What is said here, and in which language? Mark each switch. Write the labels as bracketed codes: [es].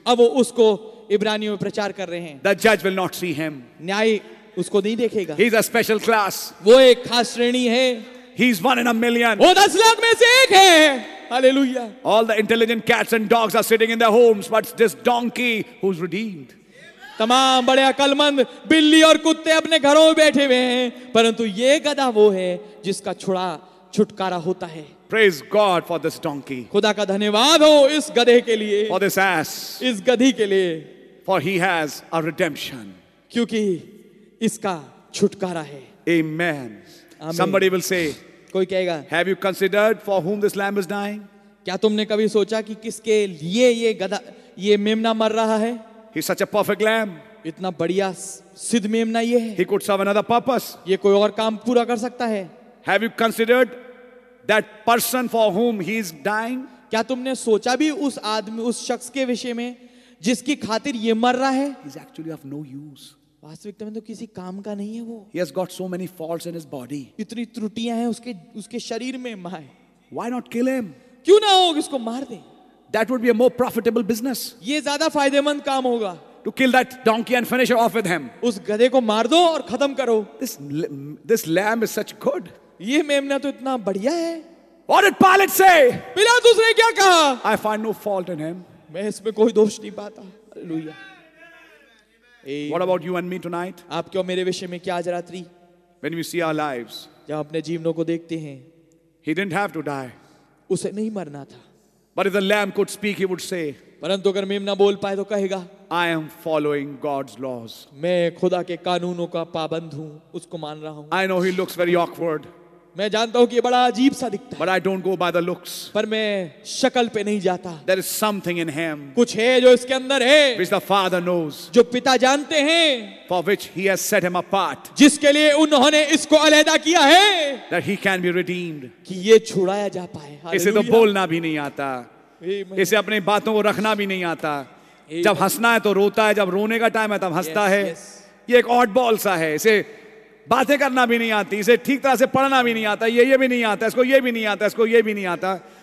[hi] अब वो उसको इब्रानियों में प्रचार कर रहे हैं। [en] The judge will not see him. [hi] न्याय उसको नहीं देखेगा। [en] He's a special class. [hi] वो एक खास श्रेणी है। [en] He's one in a million. [hi] वो 10 लाख में से एक है। Hallelujah. [en] All the intelligent cats and dogs are sitting in their homes, but this donkey who's redeemed. [hi] तमाम बड़े अकलमंद बिल्ली और कुत्ते अपने घरों में बैठे हुए हैं, परंतु ये गधा वो है जिसका छुटकारा होता है। [en] Praise God for this donkey. [hi] खुदा का धन्यवाद हो इस गधे के लिए। [en] For this ass. [hi] इस गधी के लिए। [en] For he has a redemption. [hi] क्योंकि इसका छुटकारा है। [en] Amen. Somebody will say. [hi] कोई कहेगा। [en] Have you considered for whom this lamb is dying? [hi] क्या तुमने कभी सोचा कि किसके लिए ये गधा, ये मेमना मर रहा है? [en] He's such a perfect lamb. [hi] इतना बढ़िया सिद्ध मेमना ये है। [en] He could serve another purpose. [hi] ये कोई और काम पूरा कर सकता है। [en] Have you considered that person for whom he is dying? [hi] क्या तुमने सोचा भी उस आदमी, उस शख्स के विषय में जिसकी खातिर ये मर रहा है? [en] He's actually of no use. [hi] वास्तविकता में तो किसी काम का नहीं है वो। [en] He has got so many faults in his body. [hi] इतनी त्रुटियां हैं उसके उसके शरीर में माए। [en] Why not kill him? [hi] क्यों ना हो इसको मार दे। [en] That would be a more profitable business. [hi] ये ज़्यादा फ़ायदेमंद काम होगा। [en] To kill that donkey and finish off with him. [hi] उस गधे को मार दो और ख़तम करो। [en] This lamb is such good. [hi] ये मेमना तो इतना बढ़िया है। [en] What did Pilate say? [hi] पिलातुस ने क्या कहा? [en] I find no fault in him. [hi] मैं इसमें कोई दोष नहीं पाता। [en] Hallelujah. What about you and me tonight? [hi] आप क्यों मेरे विषय में क्या आज रात्रि? [en] When we see our lives. [hi] जब अपने जीवनों को देखते हैं। [en] He didn't have to die. [hi] उसे नहीं मरना था। [en] But if the lamb could speak, he would say, [hi] परंतु अगर मेमना बोल पाए तो कहेगा, [en] I am following God's laws. [hi] मैं खुदा के कानूनों का पाबंद हूं, उसको मान रहा हूं। [en] I know he looks very awkward. [hi] मैं जानता हूं कि ये बड़ा अजीब सा दिखता है। [en] But I don't go by the looks. [hi] पर मैं शकल पे नहीं जाता। [en] There is something in him. [hi] कुछ है जो इसके अंदर है। [en] Which the Father knows. [hi] जो पिता जानते हैं। [en] For which he has set him apart. [hi] जिसके लिए उन्होंने इसको अलहदा किया है। [en] That he can be redeemed. [hi] कि ये छुड़ाया जा पाए। इसे तो बोलना भी नहीं आता। इसे अपनी बातों को रखना भी नहीं आता। जब हंसना है तो रोता है, जब रोने का टाइम है तब हंसता है। ये एक ऑड बॉल सा है। इसे बातें करना भी नहीं आती, इसे ठीक तरह से पढ़ना भी नहीं आता, ये भी नहीं आता, इसको ये भी नहीं आता, इसको ये भी नहीं आता।